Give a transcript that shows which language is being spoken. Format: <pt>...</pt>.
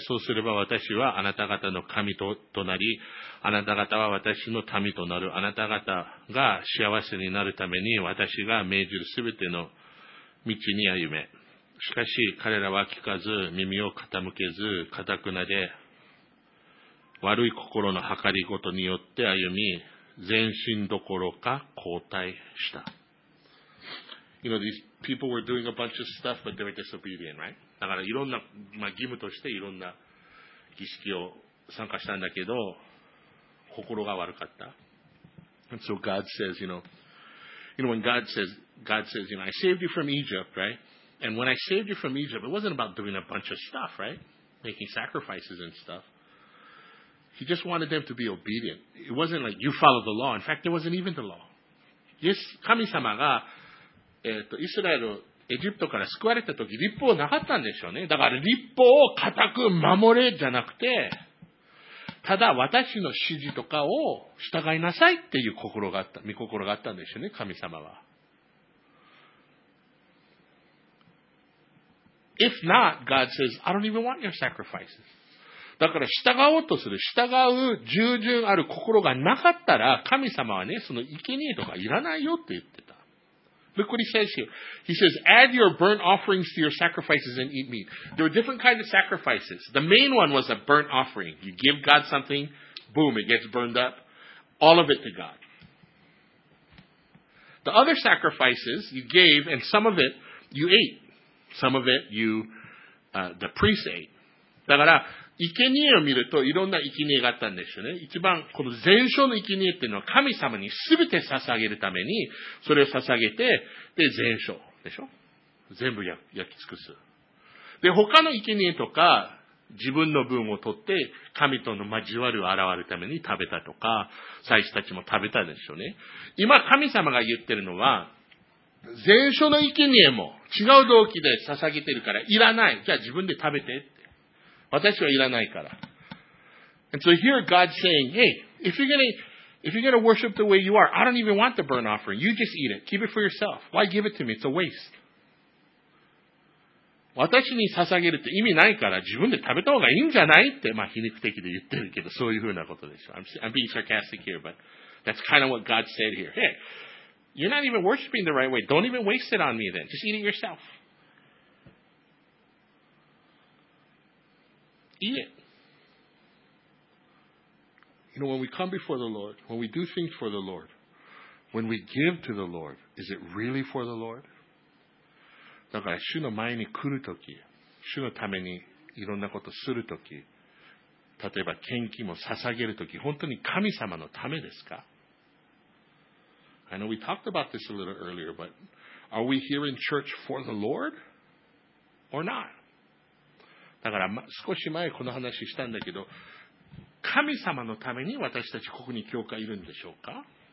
<ja>そうすれば私はあなた方の神となり、あなた方は私の民となる。あなた方が幸せになるために、私が命じるすべての道に歩め。しかし彼らは聞かず、耳を傾けず、かたくなで、悪い心の計りごとによって歩み、全身どころか後退した。</ja> <en>You know, these people were doing a bunch of stuff, but they were disobedient, right?</en> <ja>だからいろんな、まあ、義務としていろんな儀式を参加したんだけど、心が悪かった。</ja> <en>And so God says, you know, when God says, you know, I saved you from Egypt, right? And when I saved you from Egypt, it wasn't about doing a bunch of stuff, right? Making sacrifices and stuff. He just wanted them to be obedient. It wasn't like you follow the law. In fact, there wasn't even the law.</en> <ja>Yes, 神様が、イスラエルエジプトから救われた時、律法なかったんでしょうね。だから律法を固く守れじゃなくて、ただ私の指示とかを従いなさいっていう心があったんでしょうね、神様は。</ja> <en>If not, God says, I don't even want your sacrifices.</en> <ja>だから従おうとする、従う従順ある心がなかったら、神様はね、その生贄とかいらないよって言ってた。</ja> <en>Look what he says here. He says, add your burnt offerings to your sacrifices and eat meat. There are different kinds of sacrifices. The main one was a burnt offering. You give God something, boom, it gets burned up. All of it to God. The other sacrifices you gave and some of it you ate. Some of it you, the priest ate.</en> <ja>だから、生贄を見るといろんな生贄があったんですよね。一番、この全焼の生贄っていうのは神様に全て捧げるために、それを捧げて、で、全焼でしょ？全部焼き尽くす。で、他の生贄とか、自分の分を取って神との交わりを表るために食べたとか、祭司たちも食べたでしょうね。今神様が言ってるのは、前書の生贄も違う動機で捧げてるからいらない。じゃあ自分で食べてって。私はいらないから。</ja> <en>And so here God saying, hey, if you're gonna worship the way you are, I don't even want the burnt offering. You just eat it. Keep it for yourself. Why give it to me? It's a waste.</en> <ja>私に捧げるって意味ないから自分で食べた方がいいんじゃないって、まあ皮肉的で言ってるけど、そういうふうなことでしょ。</ja> <en>I'm being sarcastic here, but that's kind of what God said here. Hey, you're not even worshiping the right way. Don't even waste it on me then. Just eat it yourself. Eat it. You know, when we come before the Lord, when we do things for the Lord, when we give to the Lord, is it really for the Lord?</en> <ja>だから主の前に来るとき、主のためにいろんなことするとき、例えば献金も捧げるとき、本当に神様のためですか？</ja> <en>I know we talked about this a little earlier, but are we here in church for the Lord or not?</en> <ja>だから少し前この話したんだけど、神様のために私たちここに教会いるんでしょうか？</ja>